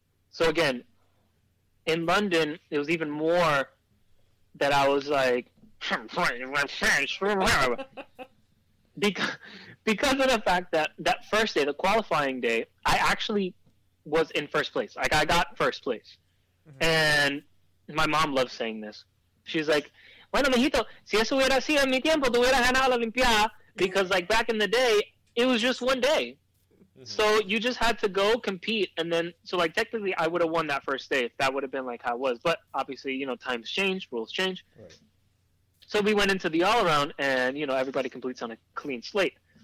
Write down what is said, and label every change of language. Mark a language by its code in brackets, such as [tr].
[en] So again, in London, it was even more that I was like, because of the fact that that first day, the qualifying day, I actually was in first place. Like, I got first place. Mm-hmm. And my mom loves saying this. She's like, [es] bueno, mijito, si eso hubiera sido en mi tiempo, tú hubieras ganado la Olimpiada. [en] Because, like, back in the day, it was just one day. Mm-hmm. So you just had to go compete. And then, so, like, technically, I would have won that first day if that would have been, like, how it was. But, obviously, you know, times change, rules change. Right. So we went into the all-around, and, you know, everybody completes on a clean slate.